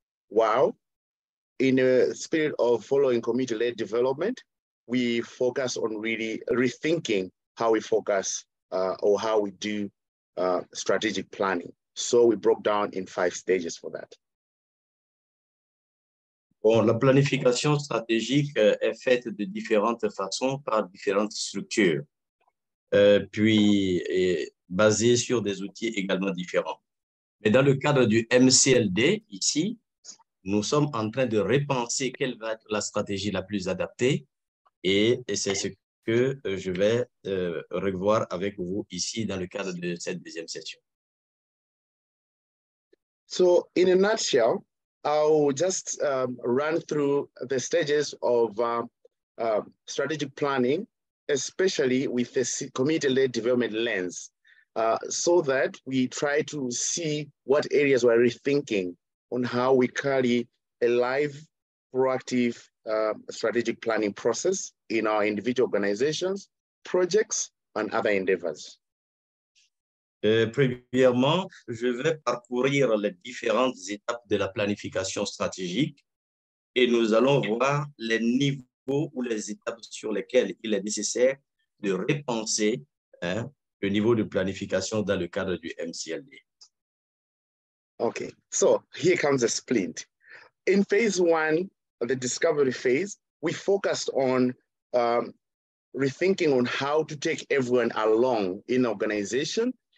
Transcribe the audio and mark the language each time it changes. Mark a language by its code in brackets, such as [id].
[en] While in a spirit of following community-led development, we focus on really rethinking how we focus or how we do strategic planning. So we broke down in 5 stages for that. [fr] Bon, la planification stratégique est faite de différentes façons par différentes structures, puis est basée sur des outils également différents. Mais dans le cadre du MCLD, ici, nous sommes en train de repenser quelle va être la stratégie la plus adaptée et c'est ce que je vais revoir avec vous ici dans le cadre de cette deuxième session. [en] So, in a nutshell, I'll just run through the stages of strategic planning, especially with the community-led development lens, so that we try to see what areas we're rethinking on how we carry a live, proactive strategic planning process in our individual organizations, projects, and other endeavors. [fr] Premièrement, je vais parcourir les différentes étapes de la planification stratégique et nous allons voir les niveaux ou les étapes sur lesquelles il est nécessaire de repenser hein, le niveau de planification dans le cadre du MCLD. [en] OK, so here comes the splint. In phase one, the discovery phase, we focused on rethinking on how to take everyone along in the organization.